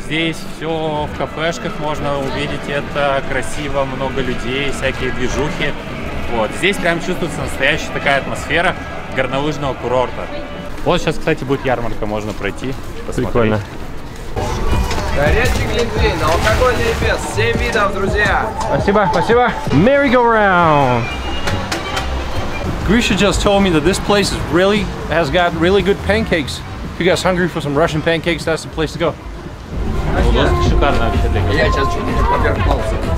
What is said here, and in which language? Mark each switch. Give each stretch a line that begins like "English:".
Russian: Здесь все в кафешках, можно увидеть это красиво, много людей, всякие движухи. Вот. Здесь прям чувствуется настоящая такая атмосфера горнолыжного курорта. Вот сейчас, кстати, будет ярмарка, можно пройти, посмотреть. Прикольно. Горячий глинтвейн, алкогольный фест, 7 видов, друзья. Спасибо, спасибо.
English: Merry-go-round. Grisha just told me that this place is really has got really good pancakes. If you guys hungry for some Russian pancakes, that's the place to go.
Russian: Ну, доски шикарные вообще для гостей. Я сейчас чуть-чуть поперхнулся.